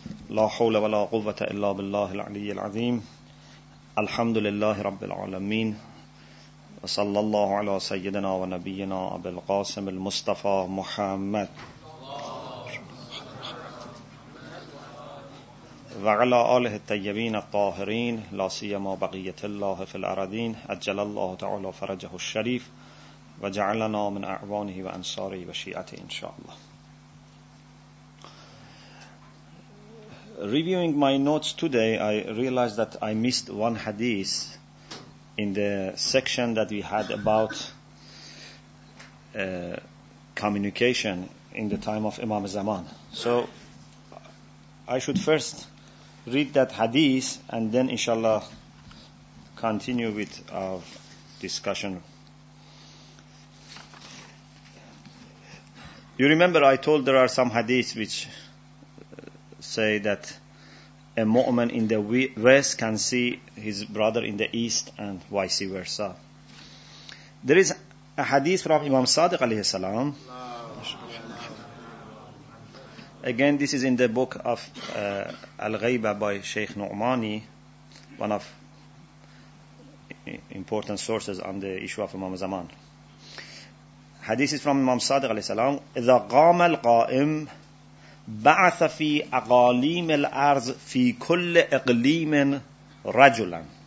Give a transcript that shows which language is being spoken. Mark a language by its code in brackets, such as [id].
[ar] لا حول ولا قوة إلا بالله العلي العظيم الحمد لله رب العالمين وصلى الله على سيدنا ونبينا أبي القاسم المصطفى محمد وعلى آله الطيبين الطاهرين لا سيما بقية الله في الأرضين أجل الله تعالى فرجه الشريف وجعلنا من أعوانه وأنصاره وشيعته إن شاء الله. [en] Reviewing my notes today, I realized that I missed one hadith in the section that we had about communication in the time of Imam Zaman. So I should first read that hadith and then, inshallah, continue with our discussion. You remember I told there are some hadiths which say that a mu'min in the west can see his brother in the east and vice versa. There is a hadith from Imam Sadiq alayhi salam. Again, this is in the book of Al-Ghaybah by Sheikh Nu'mani, one of important sources on the issue of Imam Zaman. Hadith is from Imam Sadiq alayhi salam. [ar] إِذَا قَامَ الْقَائِمْ بعث في أقاليم الأرض في كل إقليم رجلا.